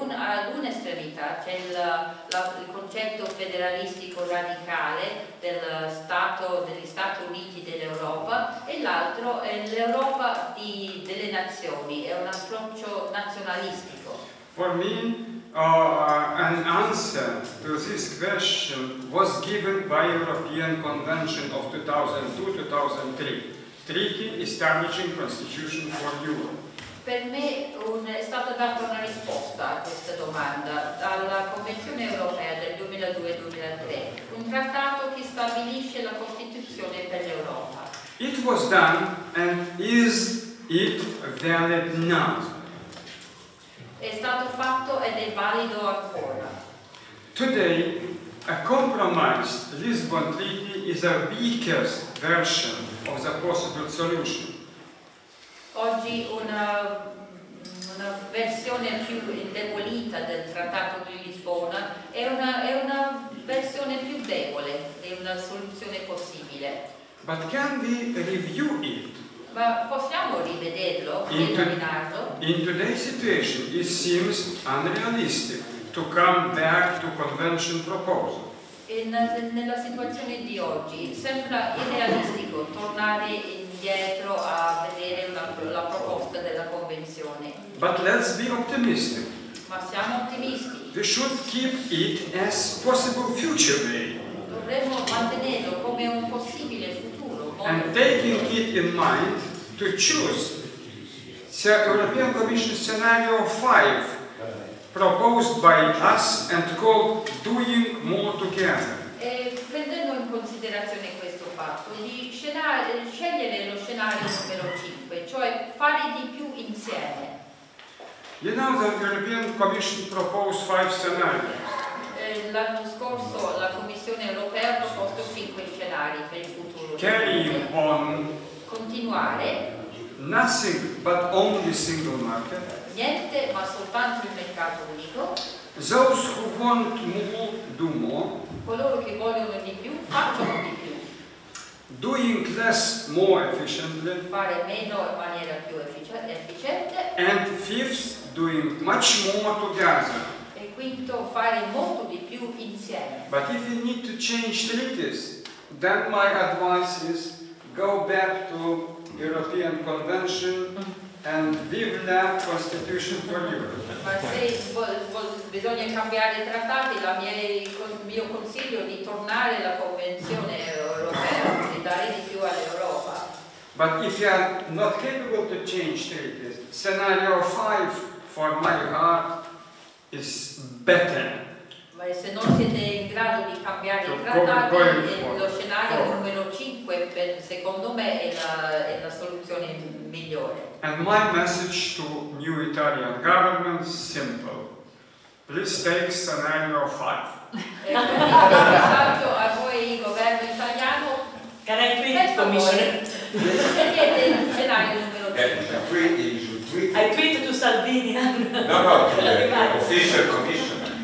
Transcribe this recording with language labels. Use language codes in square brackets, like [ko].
[it] Ad un'estremità c'è il concetto federalistico radicale degli Stati Uniti dell'Europa, e l'altro è l'Europa delle nazioni, è un approccio nazionalistico. [en] For me, an answer to this question was given by European Convention of 2002-2003, Treaty Establishing Constitution for Europe. [it] Per me è stata data una risposta a questa domanda dalla Convenzione Europea del 2002-2003, un trattato che stabilisce la Costituzione per l'Europa. [en] It was done, and is it valid now? [it] È stato fatto ed è valido ancora. [en] Today, a compromised Lisbon Treaty is a weakest version of the possible solution. [it] Oggi una versione più indebolita del Trattato di Lisbona è una versione più debole di una soluzione possibile. [en] But can we review it? [it] Ma possiamo rivederlo, riesaminarlo? [en] In today's situation, it seems unrealistic to come back to convention proposal. [it] Nella situazione di oggi sembra irrealistico tornare indietro a vedere la proposta della convenzione. [en] But let's be optimistic. [it] Ma siamo ottimisti. [en] We should keep it as possible future day. [it] Dovremmo mantenerlo come un possibile futuro. [en] And taking it in mind to choose the European Commission scenario 5 proposed by us and called Doing More Together. [it] E prendendo in considerazione questo fatto, scegliere lo scenario numero 5, cioè fare di più insieme. [en] You know that the European Commission proposed 5 scenarios. [it] L'anno scorso la Commissione Europea ha proposto 5 scenari per il futuro. [en] Carrying on. [it] Continuare. [en] Nothing but only single market. [it] Niente ma soltanto il mercato unico. [en] Those who want more, do more. [it] Coloro che vogliono di più, facciano di più. [en] Doing less, more efficiently. [it] Fare meno in maniera più efficiente. [en] And fifth, doing much more together. [it] E quinto, fare molto di più insieme. [en] But if you need to change treaties, then my advice is go back to European Convention and [fr] vive la [en] Constitution for Europe. [it] Ma se bisogna cambiare i trattati, il mio consiglio è di tornare alla Convenzione Europea e dare di più all'Europa. [en] But if you are not capable to change treaties, scenario 5 for my heart is better. [it] Ma se non siete in grado di cambiare i trattati, lo scenario numero 5 secondo me è la soluzione migliore. [en] And my message to new Italian government is simple. Please take scenario 5. [it] Esatto, a voi il governo italiano. [en] Can I tweet, commissioner? [it] Scegliete il scenario numero 5. [en] I tweet to Salvini. No, official commission.